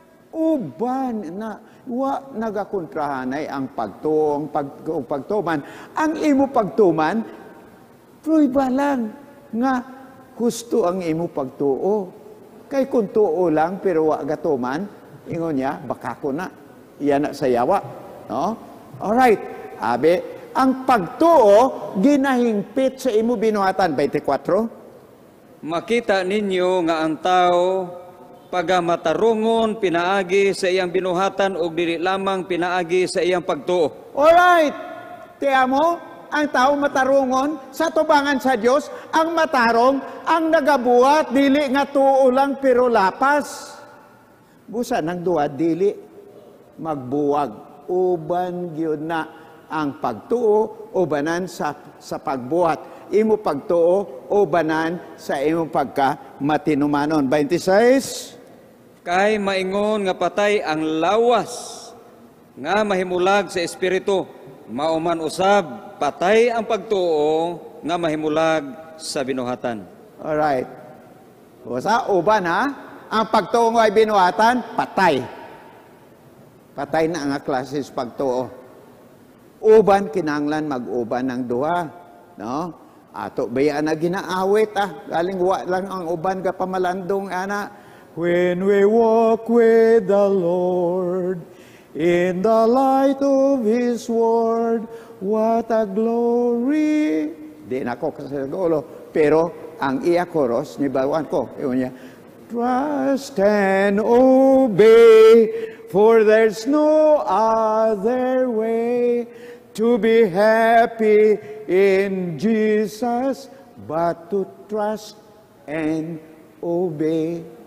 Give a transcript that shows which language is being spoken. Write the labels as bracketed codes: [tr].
[ceb] Uban na wa nagakontrahanay ang pagtuo ang pagtuman. Ang imo pagtuman pruy ba lang nga gusto ang imo pagtuo kay kung tuo lang pero wa gatuman, ingon niya, baka ko na. Iyan na sayawa. No? Alright. Abi, ang pagtuo, ginahingpit sa imo binuhatan. 24. Makita ninyo nga ang tao pagamatarungon pinaagi sa iyang binuhatan o dili lamang pinaagi sa iyang pagtuo. Alright. Tiya mo, ang tao matarungon sa tubangan sa Dios, ang matarong, ang nagabuhat, dili nga tuo lang pero lapas. Busa ng duha, dili magbuwag. Uban yun na ang pagtuo, ubanan sa pagbuhat. Imo pagtuo, ubanan sa imo pagka matinumanon. 26. Kay maingon nga patay ang lawas nga mahimulag sa espiritu, mauman usab patay ang pagtuo nga mahimulag sa binuhatan. Alright. Usa, uban ha? Ang pagtuo nga binuhatan, patay. Patay na ang klase sa pagtuo. Uban, kinanglan mag-uban ng duha. No? Ato, bayan na ginaawit ah. Galing wa lang ang uban ka pamalandong ana. [en] When we walk with the Lord in the light of His word, what a glory. [ceb] Di na ko kasi nagulo. Pero ang iya koros, nibawan ko. Iyon niya. [en] Trust and obey, for there's no other way to be happy in Jesus but to trust and obey.